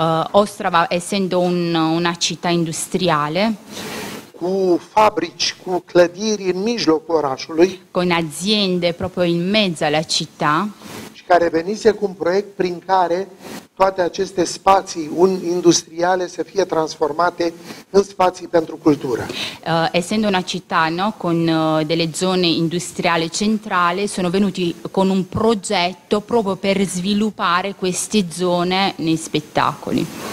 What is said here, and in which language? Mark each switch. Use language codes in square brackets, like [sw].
[it] Ostrava, essendo una città industriale, [ro] cu fabrici, cu clădiri în mijlocul orașului, [it] con aziende proprio in mezzo alla città, [ro] care venise cu un proiect prin care toate aceste spații industriale să fie transformate în spații pentru cultură. [it] Essendo una città, no, con delle zone industriali centrali, sono venuti con un progetto proprio per sviluppare queste zone nei spettacoli.